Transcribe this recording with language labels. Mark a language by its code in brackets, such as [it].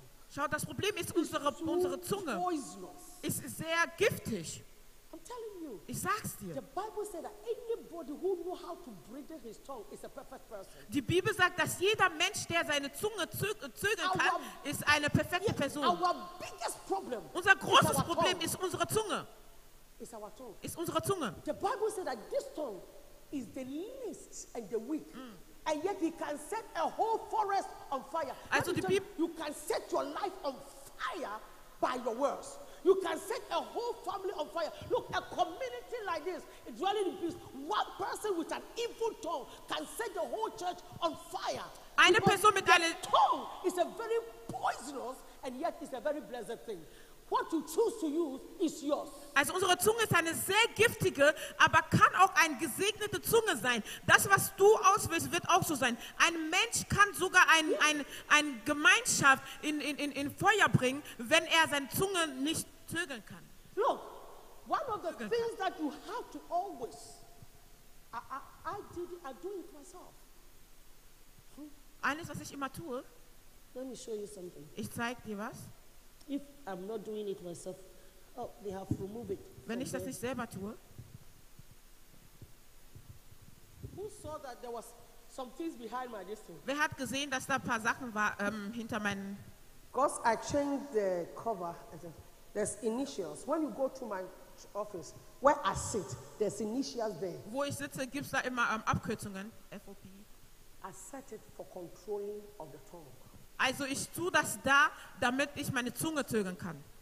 [de] Schau, das Problem ist, unsere Zunge ist sehr giftig. [en] I'm telling you. [de] Ich sag's dir. [en] The Bible said that anybody who knew how to bridle his tongue is a perfect person. [de] Die Bibel sagt, dass jeder Mensch, der seine Zunge zügeln kann, ist eine perfekte Person. [en] Our biggest problem. [de] Unser großes Problem ist unsere Zunge. [en] Is our tongue. [de] Ist unsere Zunge. [en] The Bible said that this tongue is the least and the weak. And yet he can set a whole forest on fire. Also the people, you can set your life on fire by your words. You can set a whole family on fire. Look, a community like this, dwelling in peace, one person with an evil tongue can set the whole church on fire. [de] Eine Person mit einer [en] tongue is a very poisonous and yet it's a very blessed thing. What you choose to use is yours. [de] Also unsere Zunge ist eine sehr giftige, aber kann auch eine gesegnete Zunge sein. Das, was du auswählst, wird auch so sein. Ein Mensch kann sogar eine Gemeinschaft in Feuer bringen, wenn er seine Zunge nicht zögern kann. [en] Look, one of the things that you have to always, I do it myself. [de] Eines, was ich immer tue, [en] let me show you something. [de] Ich zeig dir was. [en] If I'm not doing it myself, oh, they have removed it. [de] Wenn ich das nicht selber tue. [en] Who saw that there was some things behind my distance? [de] Wer hat gesehen, dass da ein paar Sachen war hinter meinen? [en] Because I changed the cover. There's initials. When you go to my office, where I sit, there's initials there. [de] Wo ich sitze, gibt's da immer Abkürzungen. FOP. [en] I set it for controlling of the tongue. [de] Also ich tue das da, damit ich meine Zunge zögern kann.